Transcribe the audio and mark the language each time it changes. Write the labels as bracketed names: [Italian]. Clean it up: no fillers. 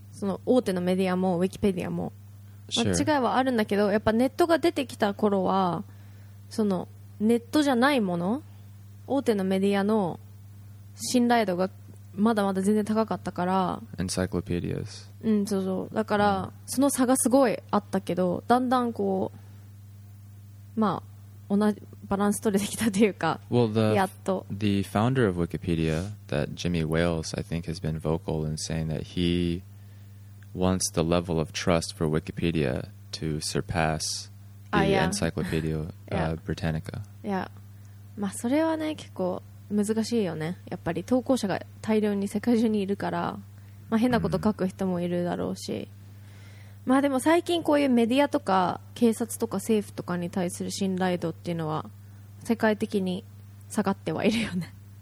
[Japanese] その大手のメディアもウィキペディアも間違いはあるんだけど、やっぱネットが出てきた頃はそのネットじゃないもの、大手のメディアの信頼度がまだまだ全然高かったから、 [English] エンサイクロペディアス、 [Japanese] うん、そうそう、だからその差がすごいあったけど、だんだんこう、まあ同じバランス取れてきたというか、やっと [English] The founder of Wikipedia, that Jimmy Wales, I think has been vocal in saying that heWants the level of trust for Wikipedia to surpass the Encyclopedia Britannica. Yeah. [Japanese] まあそれはね、結構難しいよね。やっぱり投稿者が大量に世界中にいるから、まあ変なこと書く人もいるだろうし。まあでも最近こういうメディアとか警察とか政府とかに対する信頼度っていうのは世界的に下がってはいるよね。